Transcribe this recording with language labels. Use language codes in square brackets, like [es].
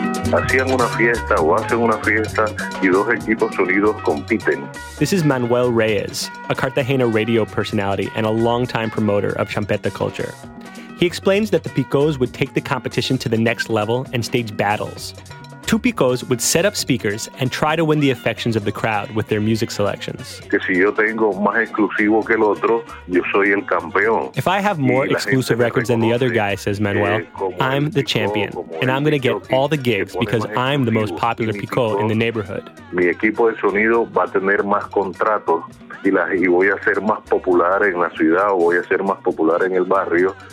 [es] Hacían una fiesta o hacen una fiesta y dos equipos unidos compiten. [en] This is Manuel Reyes, a Cartagena radio personality and a longtime promoter of champeta culture. He explains that the picos would take the competition to the next level and stage battles. Tupicos would set up speakers and try to win the affections of the crowd with their music selections. If I have more exclusive records than the other guy, says Manuel, I'm the champion, and I'm going to get all the gigs because I'm the most popular pico in the neighborhood. [es] Mi equipo de sonido va a tener más contratos y voy a ser más popular en la ciudad o voy a ser más popular en el barrio.